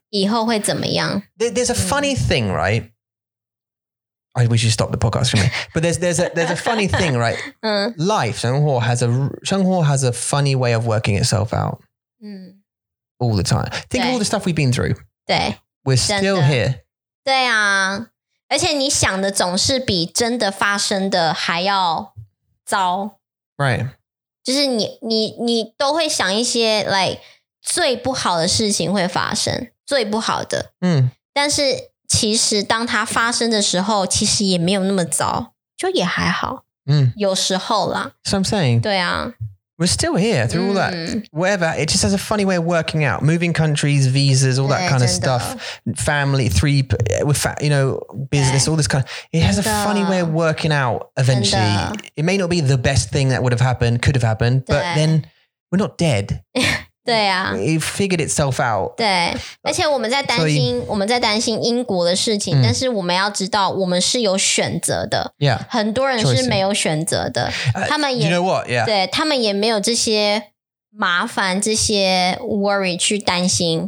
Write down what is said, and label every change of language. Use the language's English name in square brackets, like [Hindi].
[Chinese] 以后会怎么样? [English] There's a funny thing, right? We should stop the podcast for me. But there's a funny thing, right? Life, [Chinese] 生活 [English] has a funny way of working itself out. All the time. Think of all the stuff we've been through. [Chinese] 对, [English] we're still [Chinese] 真的, [English] here. [Chinese] 对啊, 而且你想的总是比真的发生的还要糟。 [English] Right. [Chinese] 就是你都会想一些 like 最不好的事情会发生，最不好的。但是其实当它发生的时候，其实也没有那么糟，就也还好。有时候啦。 [English] So I'm saying. [Chinese] 对啊。 [English] We're still here through all that. Whatever. It just has a funny way of working out. Moving countries, visas, all that kind of stuff. Family, three, with you know, business, all this kind of. It has a funny way of working out eventually. It may not be the best thing that would have happened, could have happened, but then we're not dead. [Chinese] 对啊, [English] it figured itself out. [Chinese] 对，而且我们在担心英国的事情，但是我们要知道我们是有选择的。很多人是没有选择的，他们也 [English] You know what? Yeah. [Chinese] 对，他们也没有这些麻烦这些 worry 去担心、